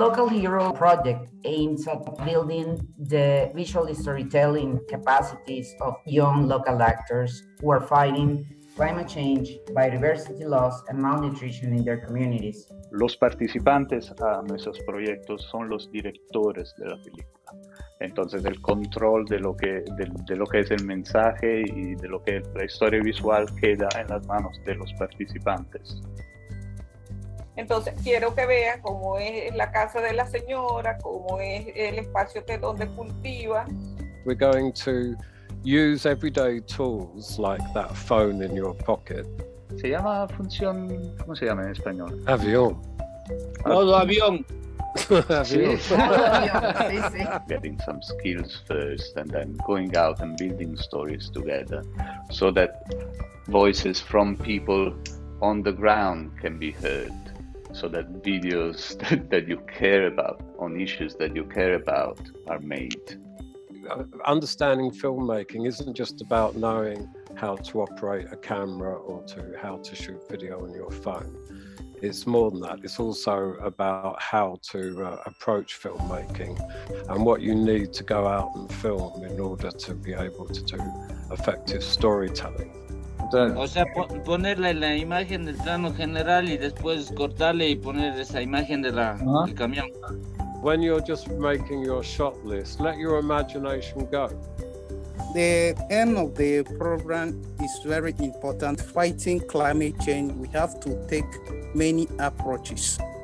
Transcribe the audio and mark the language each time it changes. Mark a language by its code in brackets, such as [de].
[en] Hero project aims at building the visual storytelling capacities of young local actors who are fighting climate change, biodiversity loss, and malnutrition in their communities. [es] Los participantes a nuestros proyectos son los directores de la película. Entonces, el control de lo que es el mensaje y de lo que es la historia visual queda en las manos de los participantes. Entonces, quiero que vean cómo es la casa de la señora, cómo es el espacio que donde cultiva. [en] We're going to use everyday tools like that phone in your pocket. [es] Se llama función, ¿cómo se llama en español? Avión. Modo avión. [en] Getting some skills first and then going out and building stories together so that voices from people on the ground can be heard. So that videos that you care about, on issues that you care about, are made. Understanding filmmaking isn't just about knowing how to operate a camera or to how to shoot video on your phone. It's more than that. It's also about how to approach filmmaking and what you need to go out and film in order to be able to do effective storytelling. [es] O sea, ponerle la imagen del plano general y después cortarle y poner esa imagen de la del camión. [en] When you're just making your shot list, let your imagination go. The end of the program is very important. Fighting climate change, we have to take many approaches.